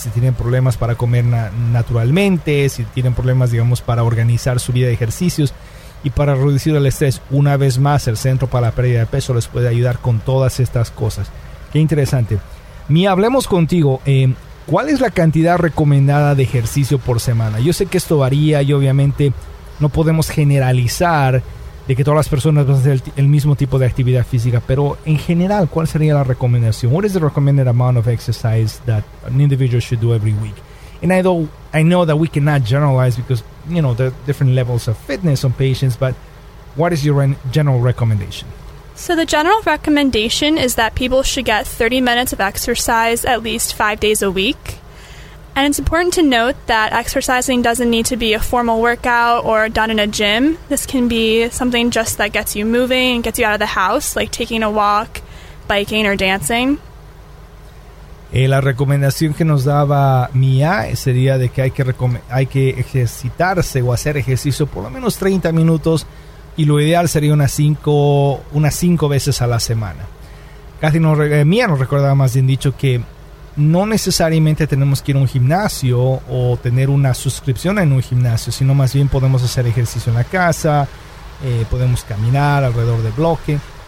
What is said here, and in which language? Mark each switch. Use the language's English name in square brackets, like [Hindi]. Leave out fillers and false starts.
[Spanish] Si tienen problemas para comer naturalmente, si tienen problemas, digamos, para organizar su vida de ejercicios y para reducir el estrés, una vez más, el Centro para la Pérdida de Peso les puede ayudar con todas estas cosas. Qué interesante. Mia, hablemos contigo. ¿Cuál es la cantidad recomendada de ejercicio por semana? Yo sé que esto varía y, obviamente, no podemos generalizar de que todas las personas van a hacer el mismo tipo de actividad física, pero en general, ¿cuál sería la recomendación? [English] What is the recommended amount of exercise that an individual should do every week? And I know that we cannot generalize because, you know, there are different levels of fitness on patients, but what is your general recommendation? So the general recommendation is that people should get 30 minutes of exercise at least 5 days a week. And it's important to note that exercising doesn't need to be a formal workout or done in a gym. This can be something just that gets you moving and gets you out of the house, like taking a walk, biking, or dancing. [Spanish] Y la recomendación que nos daba Mia sería de que hay que ejercitarse o hacer ejercicio por lo menos 30 minutos. Y lo ideal sería unas cinco veces a la semana. Mia nos recordaba más bien dicho que no necesariamente tenemos que ir a un gimnasio o tener una suscripción en un gimnasio, sino más bien podemos hacer ejercicio en la casa, podemos caminar alrededor del bloque.